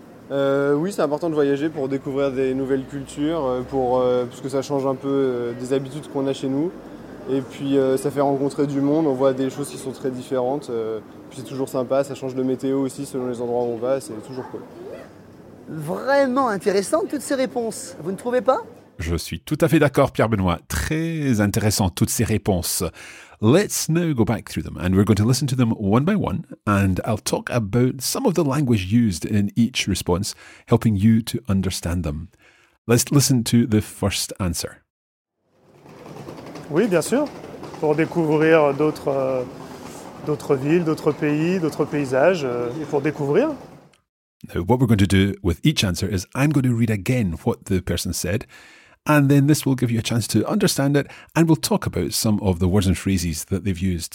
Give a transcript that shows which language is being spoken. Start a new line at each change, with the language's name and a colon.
French: Oui, c'est important de voyager pour découvrir des nouvelles cultures, parce que ça change un peu des habitudes qu'on a chez nous. Et puis, ça fait rencontrer du monde, on voit des choses qui sont très différentes. Puis c'est toujours sympa, ça change de météo aussi selon les endroits où on va, c'est toujours cool. Vraiment intéressantes toutes ces réponses, vous ne trouvez pas? Je suis tout à fait d'accord, Pierre Benoit. Très intéressant toutes ces réponses.
English: Let's now go back through them, and we're going to listen to them one by one, and I'll talk about some of the language used in each response, helping you to understand them. Let's listen to the first answer.
French: Oui, bien sûr. pour découvrir d'autres villes, d'autres pays, d'autres paysages, et pour découvrir.
English: Now, what we're going to do with each answer is I'm going to read again what the person said, and then this will give you a chance to understand it, and we'll talk about some of the words and phrases that they've used.